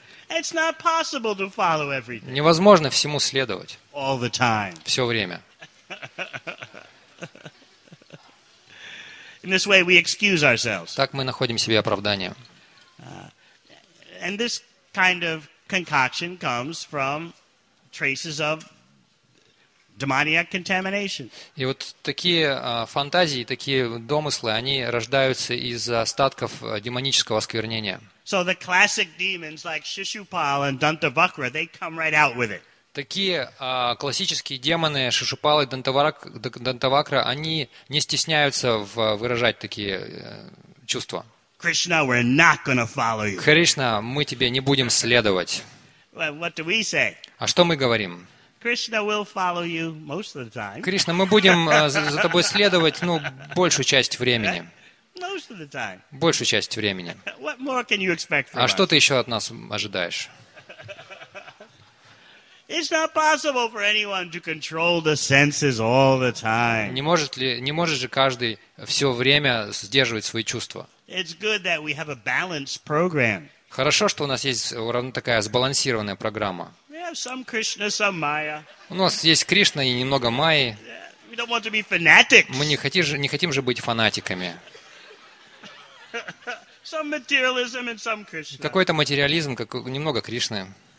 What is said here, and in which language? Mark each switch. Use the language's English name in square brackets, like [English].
[English] It's not possible to follow everything. [Russian] Невозможно всему следовать. [English] All the time. [Russian] Все время. [English] In this way, we excuse ourselves. [Russian] Так мы находим себе оправдание. [English] And this kind of concoction comes from traces of demoniac contamination. [Russian] И вот такие фантазии, такие домыслы, они рождаются из остатков демонического осквернения. [English] So the classic demons like Shishupal and Dantavakra, they come right out with it. [Russian] Такие классические демоны Шишупал и Дантавакра, они не стесняются выражать такие чувства. [English] Krishna, we're not going to follow you. [Russian] Кришна, мы тебе не будем следовать. [English] What do we say? [Russian] А что мы говорим? [English] Krishna will follow you most of the time. [Russian] Кришна, мы будем за тобой следовать, ну, большую часть времени. [English] Most of the time. [Russian] Большую часть времени. [English] What more can you expect from [Russian] us? А что ты еще от нас ожидаешь? [English] It's not possible for anyone to control the senses all the time. [Russian] Не может же каждый все время сдерживать свои чувства? [English] It's good that we have a balanced program. [Russian] Хорошо, что у нас есть такая сбалансированная программа. [English] We have some Krishna, some Maya. [Russian] У нас есть Кришна и немного Майи. [English] We don't want to be fanatics. [Russian] Мы не хотим же быть фанатиками. [English] Some materialism and some Krishna. [Russian] Какой-то материализм, как немного Кришны.